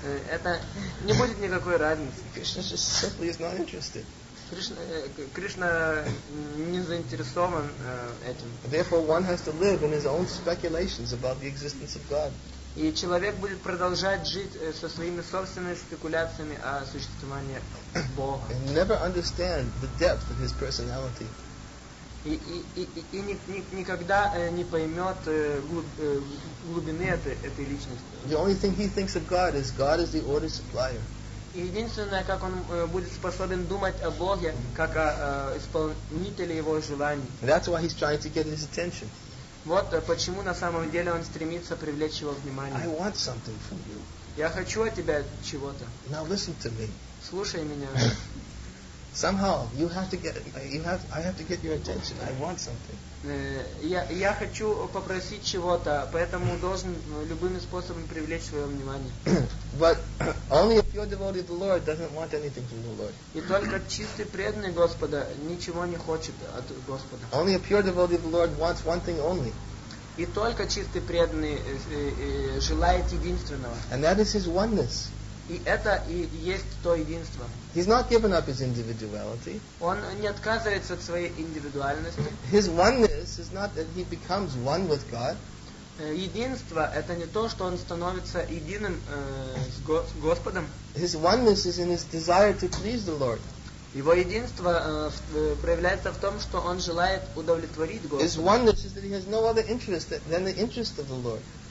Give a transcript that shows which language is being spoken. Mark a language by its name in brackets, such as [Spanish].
[Russian] Это не будет никакой разницы. [English] Krishna just simply is not interested. [Russian] Кришна не заинтересован этим. [English] Therefore, one has to live in his own speculations about the existence of God. [Russian] И человек будет продолжать жить со своими собственными спекуляциями о существовании Бога. [English] And never understand the depth of his personality. [Russian] И никогда не поймет глубины этой личности. [English] The only thing he thinks of God is the order supplier. [Russian] Единственное, как он будет способен думать о Боге, как о исполнителе его желаний. [English] That's why he's trying to get his attention. [Russian] Вот почему на самом деле он стремится привлечь его внимание. [English] I want something from you. [Russian] Я хочу от тебя чего-то. [English] Now listen to me. [Russian] Слушай меня. [English] Somehow you have to get you have I have to get your attention. I want something. [Russian] Я хочу попросить чего-то, поэтому должен любыми способами привлечь свое внимание. [English] But only a pure devotee of the Lord doesn't want anything from the Lord. [Russian] И только чистый преданный Господа ничего не хочет от Господа. [English] Only a pure devotee of the Lord wants one thing only. [Russian] И только чистый преданный желает единственного. [English] And that is his oneness. [Russian] И это и есть то единство. [English] He's not given up his individuality. [Russian] Он не отказывается от своей индивидуальности. [English] His oneness is not that he becomes one with God. [Russian] Единство – это не то, что он становится единым с Господом. [English] His oneness is in his desire to please the Lord. [Russian] Его единство проявляется в том, что он желает удовлетворить Господа. [English] His oneness is that he has no other interest than the interest of the Lord.